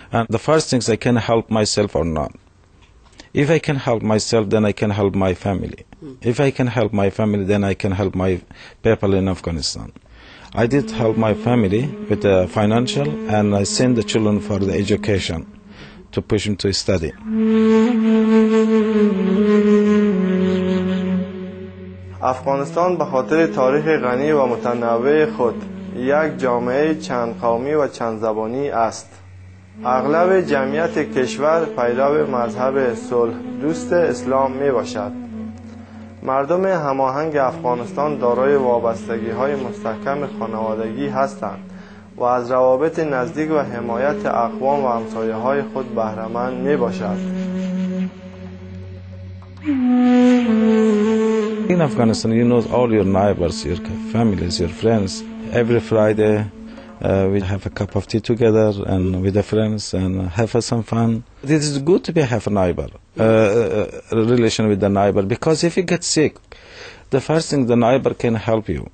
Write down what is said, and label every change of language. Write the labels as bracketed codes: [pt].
[en] And the first thing is, I can help myself or not. If I can help myself, then I can help my family. If I can help my family, then I can help my people in Afghanistan. I did help my family with the financial, and I send the children for the education to push them to study. [fa] افغانستان به خاطر تاریخ غنی و متنوع خود یک جامعه چند قومی و چند زبانی است. اغلب جمعیت کشور پیرو مذهب صلح دوست اسلام می باشد. مردم هماهنگ افغانستان دارای وابستگی های مستحکم خانوادگی هستند و از روابط نزدیک و حمایت اقوام و همسایه های خود بهرمند می باشد. [en] In Afghanistan, you know all your neighbors, your families, your friends. Every Friday, we have a cup of tea together and with the friends and have some fun. It is good to be have a neighbor, relation with the neighbor, because if you get sick, the first thing, the neighbor can help you.